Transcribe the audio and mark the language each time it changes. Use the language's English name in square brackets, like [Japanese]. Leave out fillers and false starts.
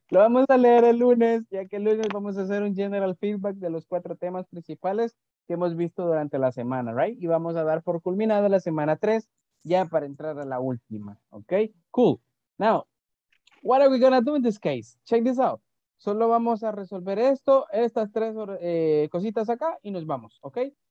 [Spanish] Lo vamos a leer el lunes, ya que el lunes vamos a hacer un general feedback de los cuatro temas principales que hemos visto durante la semana, right? Y vamos a dar por culminada la semana 3, ya para entrar a la última, okay? [English] Cool. Now, what are we gonna do in this case? Check this out. [Spanish] Solo vamos a resolver esto, estas tres cositas acá, y nos vamos, okay?